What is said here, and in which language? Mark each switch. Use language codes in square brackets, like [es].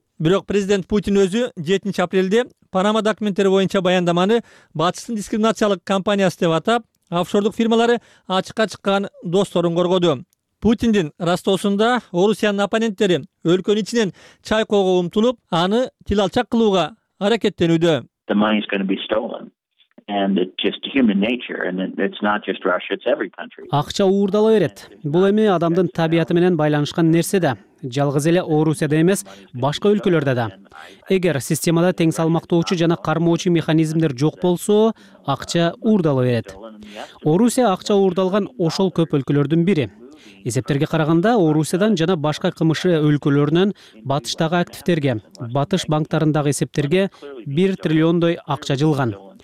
[ky] Бирок президент Путин өзү 7 апрелде Панама документтери боюнча баяндаманы батыстын дискриминациялык компаниясы деп атап, офшордук фирмалары ачыкка чыккан досторун коргоду. Путиндин ростоосунда Орусиянын оппоненттери өлкөнүн ичинен чайкоого умтулуп, аны тил алчак кылууга аракеттенүүдө. [en] The money is going to be stolen. And it's just human nature, and it's not just Russia, it's every country. [ky] Акча уурдала берет. Бул эми адамдын табияты менен байланышкан нерсе да. Жалгыз эле Орусияда эмес, башка өлкөлөрдө да. Эгер системада тең салмактоочу жана кармоочу механизмдер жок болсо, акча уурдала берет. Орусия акча уурдалган ошол көп өлкөлөрдүн бири. Эсептерге караганда Орусиядан жана башка КМШ өлкөлөрүнөн батыштагы активтерге, батыш банктарындагы эсептерге 1 триллиондой акча жылган.